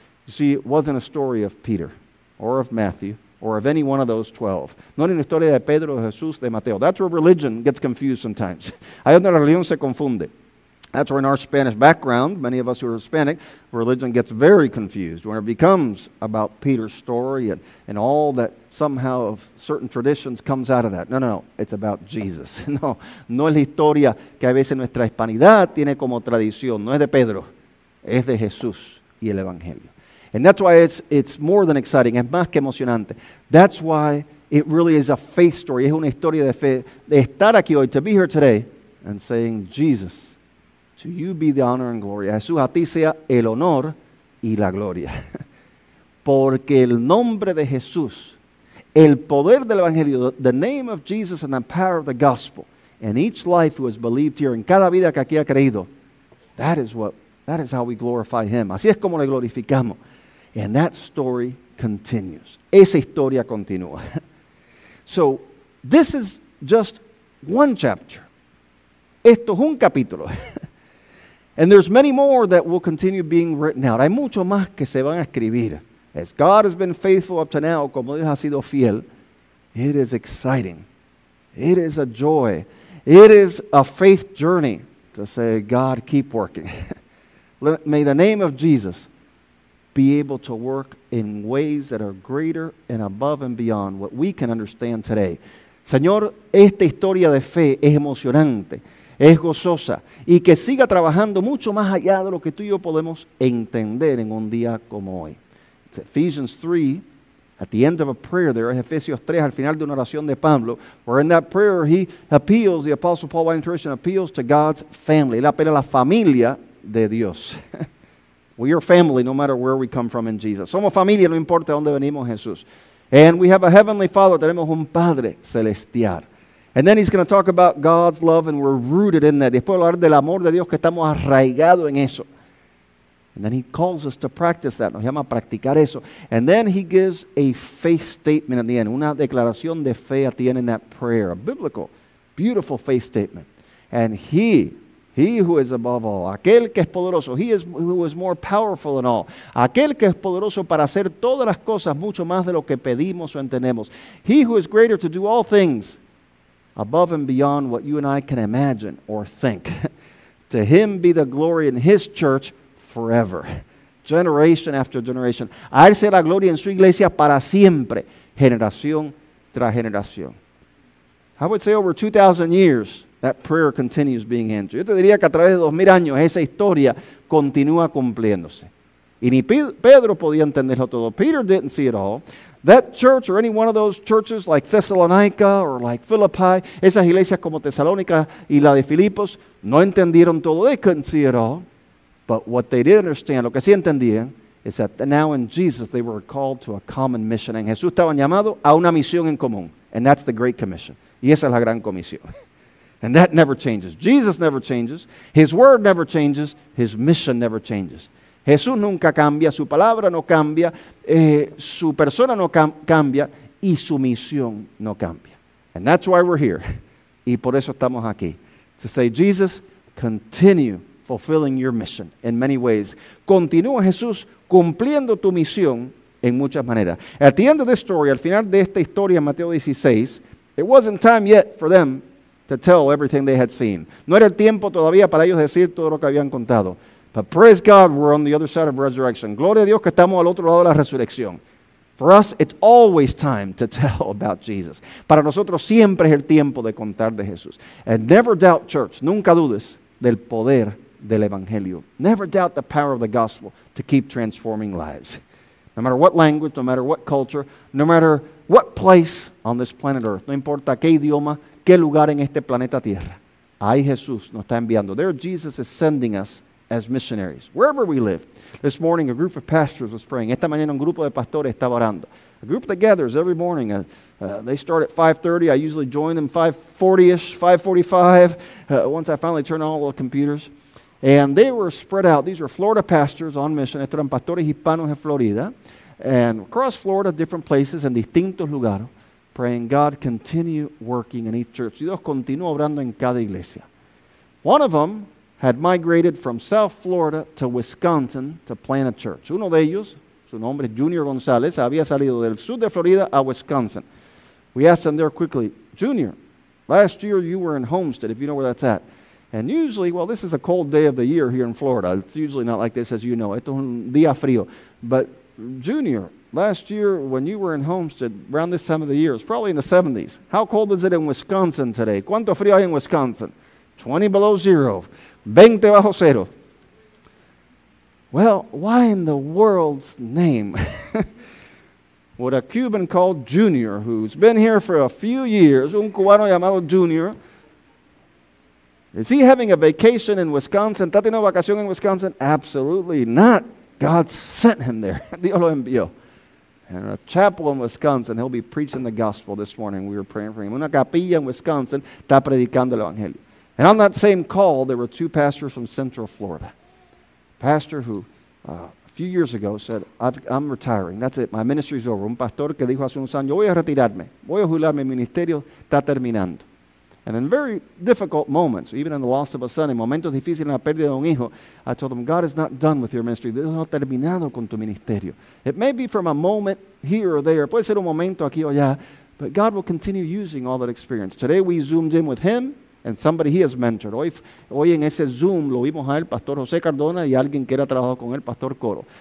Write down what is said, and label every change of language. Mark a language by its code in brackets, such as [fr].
[en] You see, it wasn't a story of Peter or of Matthew or of any one of those 12. [es] No era una historia de Pedro, de Jesús, de Mateo. [en] That's where religion gets confused sometimes. [es] Ahí donde la religión se confunde. [en] That's where in our Spanish background, many of us who are Hispanic, religion gets very confused when it becomes about Peter's story and all that somehow of certain traditions comes out of that. No, it's about Jesus. [es] No es la historia que a veces nuestra hispanidad tiene como tradición. No es de Pedro, es de Jesús y el Evangelio. [en] And that's why it's more than exciting, [es] es más que emocionante. [en] That's why it really is a faith story. [es] Es una historia de fe. De estar aquí hoy, [en] to be here today, and saying, Jesus, to you be the honor and glory. [es] A Jesús, a ti sea el honor y la gloria. Porque el nombre de Jesús, el poder del Evangelio, [en] the name of Jesus and the power of the gospel, in each life who has believed here, [es] en cada vida que aquí ha creído, [en] that is how we glorify him. [es] Así es como le glorificamos. [en] And that story continues. [es] Esa historia continúa. [en] So, this is just one chapter. [es] Esto es un capítulo. [en] And there's many more that will continue being written out. [es] Hay mucho más que se van a escribir. [en] As God has been faithful up to now, [es] como Dios ha sido fiel, [en] it is exciting. It is a joy. It is a faith journey to say, God, keep working. May the name of Jesus be able to work in ways that are greater and above and beyond what we can understand today. [es] Señor, esta historia de fe es emocionante, es gozosa, y que siga trabajando mucho más allá de lo que tú y yo podemos entender en un día como hoy. [en] It's Ephesians 3, at the end of a prayer there, Ephesians 3, [es] al final de una oración de Pablo, [en] where in that prayer he appeals, the Apostle Paul by intercession appeals to God's family. [es] Él apela a la familia de Dios. [en] We are family no matter where we come from in Jesus. [es] Somos familia, no importa dónde venimos, Jesús. [en] And we have a heavenly Father, [es] tenemos un Padre celestial. [en] And then he's going to talk about God's love and we're rooted in that. [es] Después hablar del amor de Dios, que estamos arraigados en eso. [en] And then he calls us to practice that. [es] Nos llama a practicar eso. [en] And then he gives a faith statement at the end. [es] Una declaración de fe [en] at the end in that prayer. A biblical, beautiful faith statement. And he who is above all. [es] Aquel que es poderoso. [en] He who is more powerful than all. [es] Aquel que es poderoso para hacer todas las cosas mucho más de lo que pedimos o entendemos. [en] He who is greater to do all things above and beyond what you and I can imagine or think. To him be the glory in his church forever, generation after generation. [es] A él sea la gloria en su iglesia para siempre, generación tras generación. [en] I would say over 2,000 years, that prayer continues being answered. [es] Yo te diría que a través de 2,000 años, esa historia continúa cumpliéndose. Y ni Pedro podía entenderlo todo. [en] Peter didn't see it all. That church or any one of those churches like Thessalonica or like Philippi, [es] esas iglesias como Tesalónica y la de Filipos, no entendieron todo. [en] They couldn't see it all. But what they did understand, [es] lo que sí entendían, [en] is that now in Jesus they were called to a common mission. [es] En Jesús estaban llamados a una misión en común. [en] And that's the Great Commission. [es] Y esa es la Gran Comisión. [en] And that never changes. Jesus never changes. His word never changes. His mission never changes. [es] Jesús nunca cambia. Su palabra no cambia. Su persona no cambia. Y su misión no cambia. [en] And that's why we're here. [es] Y por eso estamos aquí. [en] To say, Jesus, continue fulfilling your mission in many ways. [es] Continúa, Jesús, cumpliendo tu misión en muchas maneras. [en] At the end of this story, [es] al final de esta historia, [en] Mateo 16, it wasn't time yet for them to tell everything they had seen. [es] No era el tiempo todavía para ellos decir todo lo que habían contado. [en] But praise God, we're on the other side of resurrection. [es] Gloria a Dios que estamos al otro lado de la resurrección. [en] For us, it's always time to tell about Jesus. [es] Para nosotros siempre es el tiempo de contar de Jesús. [en] And never doubt, church, [es] nunca dudes del poder del Evangelio. [en] Never doubt the power of the gospel to keep transforming lives. No matter what language, no matter what culture, no matter what place on this planet Earth, [es] no importa qué idioma, qué lugar en este planeta Tierra, ahí Jesús nos está enviando. [en] There Jesus is sending us as missionaries, wherever we live. This morning, a group of pastors was praying. [es] Esta mañana, un grupo de pastores estaba orando. [en] A group that gathers every morning. They start at 5:30. I usually join them 5:40-ish, 5:45, once I finally turn on all the computers. And they were spread out. These were Florida pastors on mission. [es] Estos eran pastores hispanos en Florida. [en] And across Florida, different places, [es] en distintos lugares, [en] praying, God, continue working in each church. [es] Dios continúa obrando en cada iglesia. [en] One of them had migrated from South Florida to Wisconsin to plant a church. [es] Uno de ellos, su nombre es Junior González, había salido del sur de Florida a Wisconsin. [en] We asked him there quickly, Junior, last year you were in Homestead, if you know where that's at. And usually, well, this is a cold day of the year here in Florida. It's usually not like this, as you know. [es] Esto es un día frío. [en] But Junior, last year when you were in Homestead, around this time of the year, it's probably in the 70s. How cold is it in Wisconsin today? [es] ¿Cuánto frío hay en Wisconsin? [en] 20 below zero. [es] 20 bajo cero. [en] Well, why in the world's name would a Cuban called Junior, who's been here for a few years, [es] un cubano llamado Junior, [en] Is he having a vacation in Wisconsin? [es] ¿Está teniendo vacación en Wisconsin? [en] Absolutely not. God sent him there. [es] Dios lo envió. [en] And a chapel in Wisconsin, he'll be preaching the gospel this morning. We were praying for him. [es] Una capilla en Wisconsin está predicando el evangelio. [en] And on that same call, there were two pastors from Central Florida. Pastor who a few years ago said, I'm retiring. That's it. My ministry's over. [es] Un pastor que dijo hace unos años, yo voy a retirarme. Voy a jubilar mi ministerio. Está terminando. [en] And in very difficult moments, even in the loss of a son, [es] en momentos difíciles, en la pérdida de un hijo, [en] I told him, God is not done with your ministry. [es] Dios no ha terminado con tu ministerio. [en] It may be from a moment here or there. [es] Puede ser un momento aquí o allá. [en] But God will continue using all that experience. Today we zoomed in with him and somebody he has mentored. [es] Hoy en ese Zoom lo vimos a él, Pastor José Cardona, y alguien que era trabajado con él, Pastor Coro.